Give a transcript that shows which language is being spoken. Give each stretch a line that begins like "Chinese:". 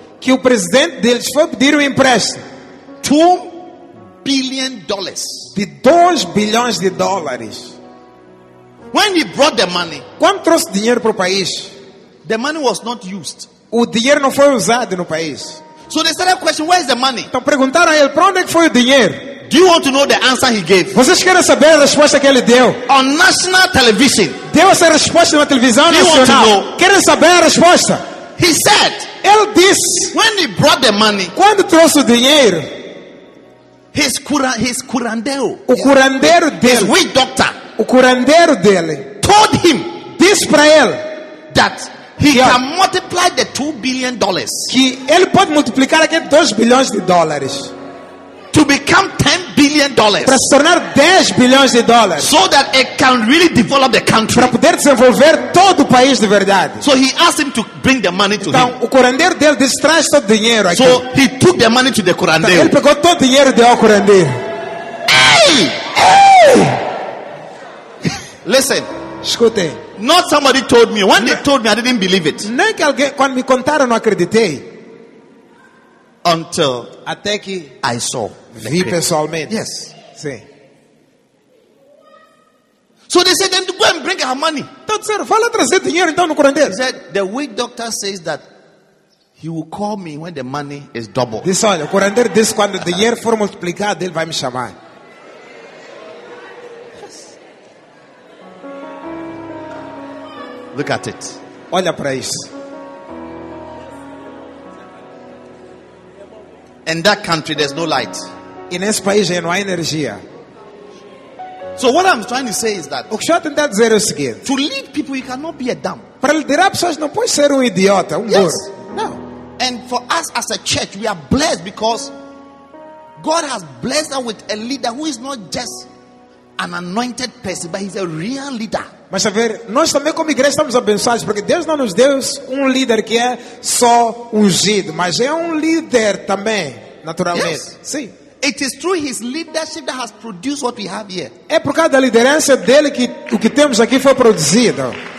Portuguese: Que o presidente deles foi pedir empréstimo.
English: $2 billion.
Portuguese: De 2 bilhões de dólares.
English: When he brought the money,
Portuguese: quando trouxe dinheiro para o país,
English: the money was not used.
Portuguese: O dinheiro não foi usado no país.
English: So they started questioning, where is the money?
Portuguese: Então perguntaram a ele, para onde foi o dinheiro?
English: Do you want to know the answer he gave?
Portuguese: Vocês querem saber a resposta que ele deu?
English: On national television.
Portuguese: Deu essa resposta na televisão nacional.
English: Do you want to know?
Portuguese: Querem saber a resposta?
English: He said.
Portuguese: Ele disse.
English: When he brought the money,
Portuguese: quando trouxe o dinheiro,
English: his curandero,
Portuguese: o curandeiro dele,
English: his witch doctor.
Portuguese: O curandeiro dele
English: told him,
Portuguese: disse para ele,
English: that he can multiply the $2 billion.
Portuguese: Que ele pode multiplicar aqueles 2 bilhões de dólares.
English: to become $10 billion.
Portuguese: Para se tornar 10 bilhões de dólares.
English: So that it can really develop the country.
Portuguese: Para poder desenvolver todo o país de verdade.
English: So he asked him to bring the money to
Portuguese: então,
English: him.
Portuguese: Então o curandeiro dele disse, traz todo o dinheiro aqui.
English: So he took the money to the curandeiro.
Portuguese: Então, ele pegou todo o dinheiro e deu ao curandeiro.
English: Hey! Hey! Listen.
Portuguese: Escute.
English: Not somebody told me. When they told me, I didn't believe it.
Portuguese: Nem que alguém, quando me contaram, não acreditei.
English: Until
Portuguese: até que
English: I saw.
Portuguese: Vi pessoalmente.
English: Yes.
Portuguese: Sim.
English: So they said, then go and bring her money.
Portuguese: Então disseram, vai lá trazer dinheiro então no curandeiro.
English: He said, the witch doctor says that he will call me when the money is double.
Portuguese: Disse, olha, o curandeiro disse, quando o dinheiro for multiplicado, ele vai me chamar.
English: Look at it.
Portuguese: Olha para isso.
English: In that country, there's no light.
Portuguese: In esse país, não há energia.
English: So what I'm trying to say is that.
Portuguese: O que eu estou tentando dizer é o seguinte.
English: To lead people, you cannot be a dumb.
Portuguese: Para liderar pessoas, não pode ser um idiota, um burro.
English: Yes. No. And for us as a church, we are blessed because God has blessed us with a leader who is not just an anointed person, but he's a real leader.
Portuguese: Mas a ver, nós também como igreja estamos abençoados porque Deus não nos deu um líder que é só ungido, mas é um líder também, naturalmente.
English: Yes.
Portuguese: Sim.
English: It is through his leadership that has produced what we have here.
Portuguese: É por causa da liderança dele que o que temos aqui foi produzido.